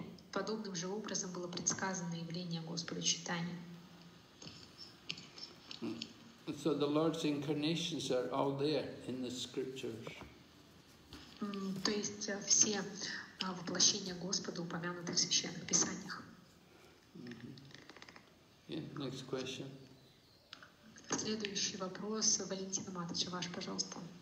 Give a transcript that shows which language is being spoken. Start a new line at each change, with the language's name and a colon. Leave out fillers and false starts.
Russian: Подобным же образом было предсказано явление Господа Чайтаньи.
English: So the Lord's incarnations are all there in the scriptures.
Russian: То есть все воплощения Господа упомянуты в священных писаниях.
English: Yeah, next question.
Russian: Следующий вопрос, Валентина Матыча, ваш, пожалуйста.